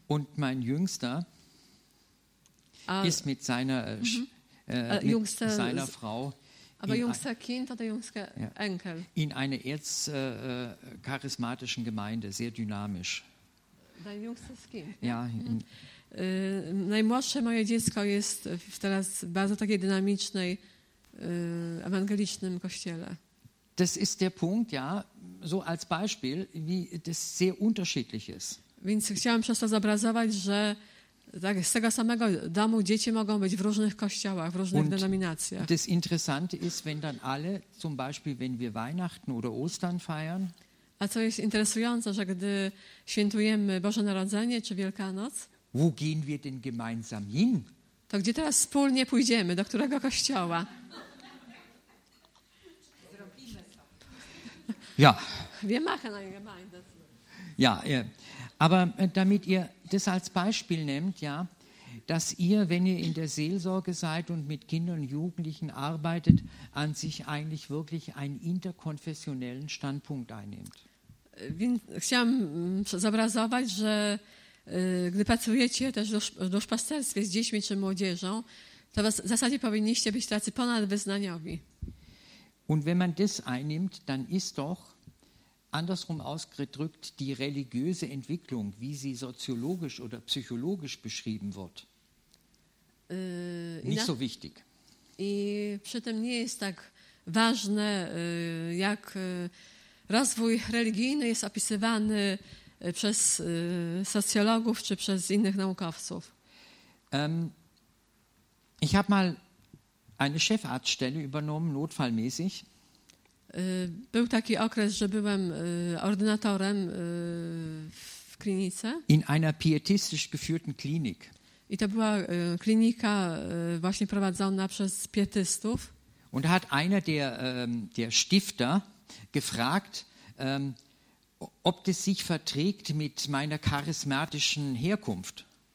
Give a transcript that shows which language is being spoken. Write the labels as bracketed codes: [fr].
[de] Und mein Jüngster ist mit seiner Frau Aber jüngster Kind oder jüngster Enkel? In einer erzcharismatischen Gemeinde, sehr dynamisch. Dein jüngstes Kind? Ja. [pl] Najmłodsze moje dziecko jest w teraz bardzo takiej dynamicznej ewangelicznym kościele. [de] Das ist der Punkt, ja, so als Beispiel, wie das sehr unterschiedlich ist. [pl] Więc chciałam przez to zobrazować, że tak, z tego samego domu dzieci mogą być w różnych kościołach, w różnych denominacjach. [de] Das Interessante ist, wenn dann alle, zum Beispiel, wenn wir Weihnachten oder Ostern feiern. [pl] A co jest interesujące, że gdy świętujemy Boże Narodzenie czy Wielkanoc, [de] wo gehen wir denn gemeinsam hin? [pl] To gdzie teraz wspólnie pójdziemy, do którego kościoła? [de] Ja. Wir machen eine Gemeinde. Ja, ja. Aber damit ihr das als Beispiel nehmt, ja, dass ihr, wenn ihr in der Seelsorge seid und mit Kindern und Jugendlichen arbeitet, an sich eigentlich wirklich einen interkonfessionellen Standpunkt einnimmt. [pl] Chciałam zobrazować, że gdy pracujecie też w duszpasterstwie z dziećmi czy młodzieżą, to w zasadzie powinniście być tacy ponadwyznaniowi. [de] Und wenn man das einnimmt, dann ist doch andersrum ausgedrückt die religiöse Entwicklung, wie sie soziologisch oder psychologisch beschrieben wird, nicht so wichtig. [pl] I przy tym nie jest tak ważne, jak rozwój religijny jest opisywany przez socjologów czy przez innych naukowców. [de] Ich habe mal eine Chefarztstelle übernommen, notfallmäßig. [pl] Był taki okres, że byłem ordynatorem w klinice. [de] In einer pietistisch geführten Klinik. [pl] I to była klinika właśnie prowadzona przez pietystów. [de] Und hat einer der Stifter gefragt, ob das sich verträgt mit meiner charismatischen Herkunft.